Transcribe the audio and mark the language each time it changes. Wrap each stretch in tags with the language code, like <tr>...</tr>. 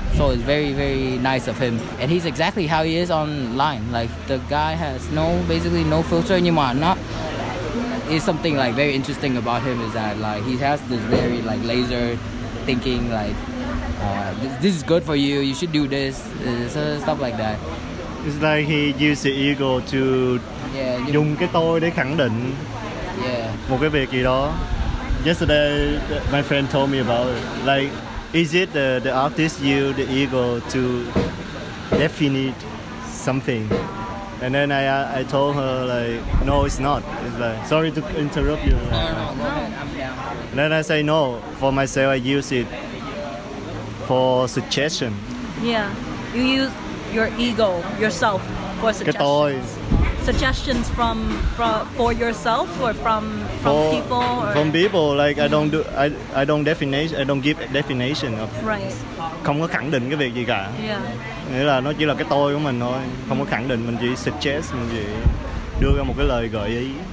<en>So it's very, very nice of him. And he's exactly how he is online. Like the guy has no filter anymore. Not is something like very interesting about him is that like he has this very like laser thinking, like this is good for you, you should do this, stuff like that. It's like he used the ego to</en> <vi>dùng cái tôi để khẳng định một cái việc gì đó.</vi> <en>Yesterday, my friend told me about it. Like, is it the artist you, the ego, to define something? And then I told her, like, no, it's not. It's like, sorry to interrupt you. No. Then I say, no, for myself, I use it for suggestion. Yeah, you use your ego, yourself, for suggestions?</en> <vi>Cái tôi.</vi> <en>Suggestions from for yourself or from people? Or... From people, like I don't do I don't give a definition of. Right.</en> <vi>Không có khẳng định cái việc gì cả.</vi> <en>Yeah.</en> <vi>Nghĩa là nó chỉ là cái tôi của mình thôi, không có khẳng định, mình chỉ suggest, mình chỉ đưa ra một cái lời gợi ý.</vi>